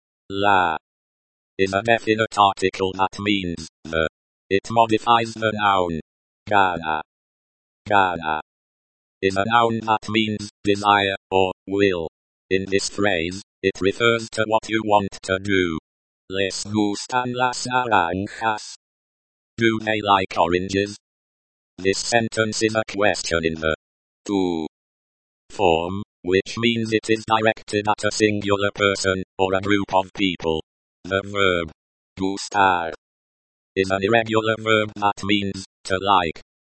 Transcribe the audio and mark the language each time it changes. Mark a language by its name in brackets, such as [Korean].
[English] La is a definite article that means the. It modifies the noun. Gana. Gana is a noun that means desire or will. In this phrase, it refers to what you want to do. [Spanish] Les gustan las naranjas. [English] Do they like oranges? This sentence is a question in the do form, which means it is directed at a singular person or a group of people. The verb gustar is an irregular verb that means to like.